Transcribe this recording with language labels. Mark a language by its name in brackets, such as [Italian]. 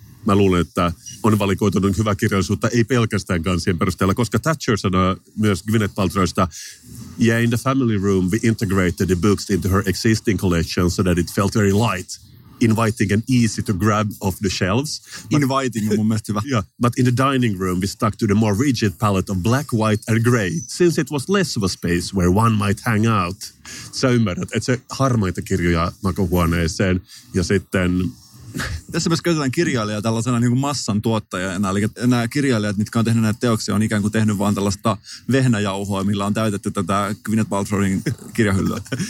[Finnish] Mä luulen, että on valikoitunut hyvä kirjallisuutta, ei pelkästään kansien perusteella, koska Thatcher sanoi myös Gwyneth Paltrowsta, [English] yeah, in the family room we integrated the books into her existing collection so that it felt very light, inviting and easy to grab off the shelves. [Finnish] But, inviting on mun mielestä hyvä. [English] Yeah, but in the dining room we stuck to the more rigid palette of black, white and grey, since it was less of a space where one might hang out. [Finnish] Sä ymmärrät, että se harmaita kirjoja makuhuoneeseen ja sitten tässä myös käytetään kirjailijaa tällaisena niin kuin massan tuottajana, eli nämä kirjailijat, mitkä on tehnyt näitä teoksia, on ikään kuin tehnyt vaan tällaista vehnäjauhoa, millä on täytetty tätä Gwyneth Paltrowin kirjahyllyä.